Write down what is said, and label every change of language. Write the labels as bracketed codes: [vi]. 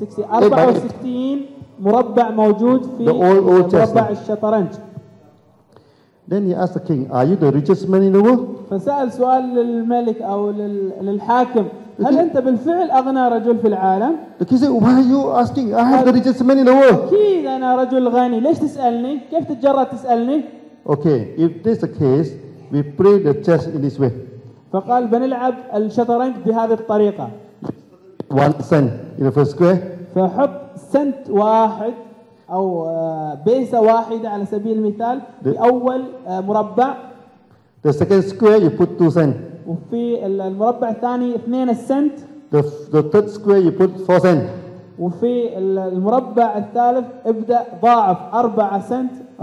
[ar] 64 مربع موجود في مربع الشطرنج. [en] Then he asked the king, "Are you the richest man in the world?" [ar] فسأل سؤال للملك أو للحاكم, هل أنت بالفعل أغنى رجل في العالم؟ [en] The king said, "Why are you asking? I have the richest man in the world." [ar] أكيد أنا رجل غني, ليش تسألني؟ كيف تتجرأ تسألني؟ [en] Okay, if this is the case, we play the chess in this way. [ar] فقال بنلعب الشطرنج بهذه الطريقة. [en] One cent in the first square. [ar] فحط سنت واحد أو بيسة واحدة على سبيل المثال في أول مربع. [en] The second square you put 2 cents. [ar] وفي المربع الثاني 2 cents. [en] The third square you put 4 cents. [ar] وفي المربع الثالث ابدأ ضاعف 4 cents.